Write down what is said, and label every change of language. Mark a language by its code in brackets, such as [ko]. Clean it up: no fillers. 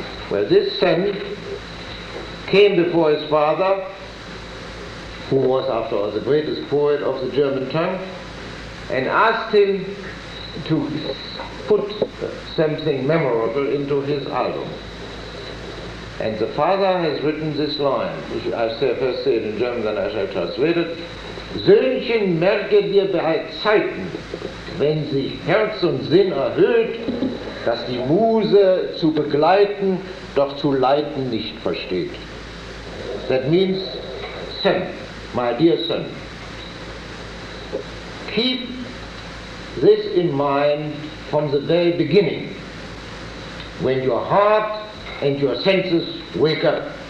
[en] Well, this son came before his father, who was, after all, the greatest poet of the German tongue, and asked him to put something memorable into his album. And the father has written this line, which I shall first say it in German, then I shall translate it. [de] Söhnchen, merke dir bei Zeiten, wenn sich Herz und Sinn erhöht, dass die Muse zu begleiten, doch zu leiten nicht versteht. [en] That means, son, my dear son, keep this in mind from the very beginning, when your heart and your senses wake up.